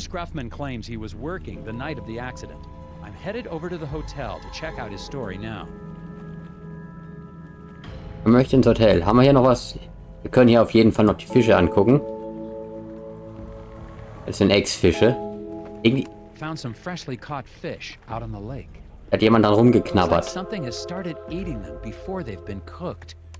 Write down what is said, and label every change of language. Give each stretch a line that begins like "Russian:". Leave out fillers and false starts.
English: Scruffman claims he was working the night of the accident. I'm headed over to the hotel to check out his story now.
German: Wir möchten ins Hotel. Haben wir hier noch was? Wir können hier auf jeden Fall noch die Fische angucken. Das sind Ex-Fische.
English: Found some freshly caught fish out on the lake.
German: Hat jemand da rumgeknabbert.
English: Something has started eating them before they've been cooked.